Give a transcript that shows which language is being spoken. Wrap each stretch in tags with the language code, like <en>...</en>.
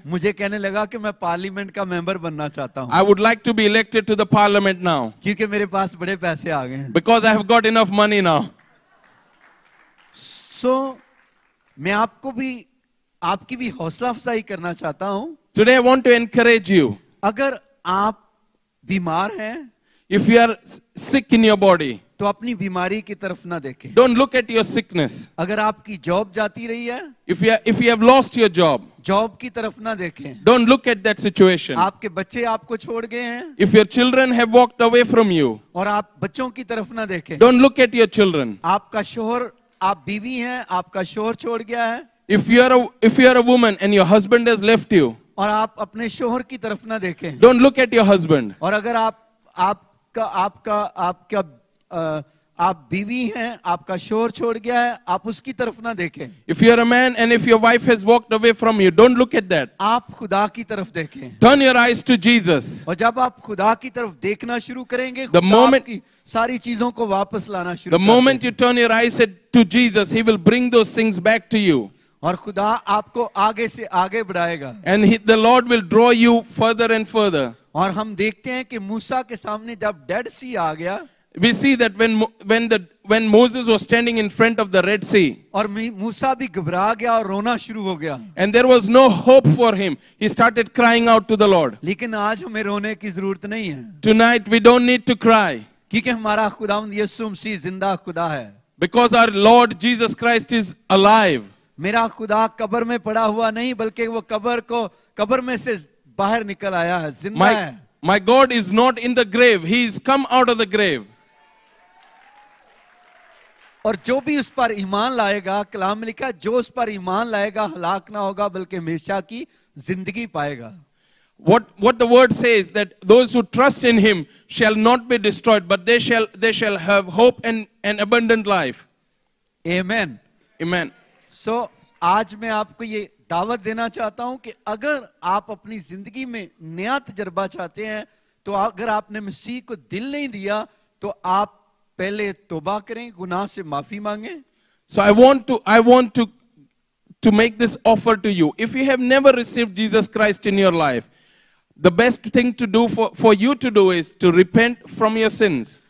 <hi>मुझे कहने लगा कि मैं पार्लियामेंट का मेंबर बनना चाहता हूँ.</hi> <en>I would like to be elected to the parliament now.</en> <hi>क्योंकि मेरे पास बड़े पैसे आ गए हैं.</hi> <en>Because I have got enough money now.</en> <hi>So मैं आपको भी आपकी भी हौसला अफजाई करना चाहता हूँ.</hi> <en>Today I want to encourage you.</en> <hi>अगर आप बीमार हैं,</hi> <en>if you are sick in your body,</en> <hi>तो अपनी बीमारी की तरफ ना देखें.</hi> <en>Don't look at your sickness.</en> <hi>अगर आपकी जॉब जाती रही है,</hi> <en>if you have lost your job,</en> <hi>job की तरफ ना देखें.</hi> <en>Don't look at that situation.</en> <hi>आपके बच्चे आपको छोड़ गए हैं,</hi> <en>if your children have walked away from you,</en> <hi>और आप बच्चों की तरफ ना देखें.</hi> <en>Don't look at your children.</en> <hi>आपका शोहर, आप बीवी हैं, आपका शोहर छोड़ गया है.</hi> <en>If you are a woman and your husband has left you,</en> <hi>और आप अपने शोहर की तरफ ना देखें.</hi> <en>Don't look at your husband.</en> <hi>और अगर आपका आप बीवी हैं, आपका शोर छोड़ गया है, आप उसकी तरफ ना देखें.</hi> <en>If you are a man and if your wife has walked away from you, don't look at that.</en> <hi>आप खुदा की तरफ देखें.</hi> <en>Turn your eyes to Jesus.</en> <hi>और जब आप खुदा की तरफ देखना शुरू करेंगे,</hi> <en>the moment</en> <hi>की सारी चीजों को वापस लाना शुरू.</hi> <en>The moment you turn your eyes to Jesus, He will bring those things back to you.</en> <hi>और खुदा आपको आगे से आगे बढ़ाएगा.</hi> <en>And the Lord will draw you further and further.</en> <hi>और हम देखते हैं कि मूसा के सामने जब डेड सी आ गया.</hi> <en>We see that when Moses was standing in front of the Red Sea.</en> <hi>और मूसा भी घबरा गया और रोना शुरू हो गया.</hi> <en>And there was no hope for him. He started crying out to the Lord.</en> <hi>लेकिन आज हमें रोने की जरूरत नहीं है.</hi> <en>Tonight we don't need to cry.</en> <hi>क्योंकि हमारा खुदावंद यीशु मसीह जिंदा खुदा है.</hi> <en>Because our Lord Jesus Christ is alive.</en> <hi>मेरा खुदा कब्र में पड़ा हुआ नहीं, बल्कि वो कब्र में से बाहर निकल आया है, जिंदा है.</hi> <en>My God is not in the grave. He is come out of the grave.</en> <hi>और जो भी उस पर ईमान लाएगा, कलाम लिखा, जो उस पर ईमान लाएगा हलाक ना होगा बल्कि हमेशा की जिंदगी पाएगा.</hi> <en>What the word says that those who trust in him shall not be destroyed, but they shall have hope and an abundant life. Amen. Amen.</en> <hi>So आज मैं आपको ये दावत देना चाहता हूं कि अगर आप अपनी जिंदगी में नया तजर्बा चाहते हैं, तो अगर आपने मसीह को दिल नहीं दिया, तो आप पहले तौबा करें, गुनाह से माफी मांगें.</hi> <en>So I want to make this offer to you. If you have never received Jesus Christ in your life, the best thing to do for you to do is to repent from your sins.</en>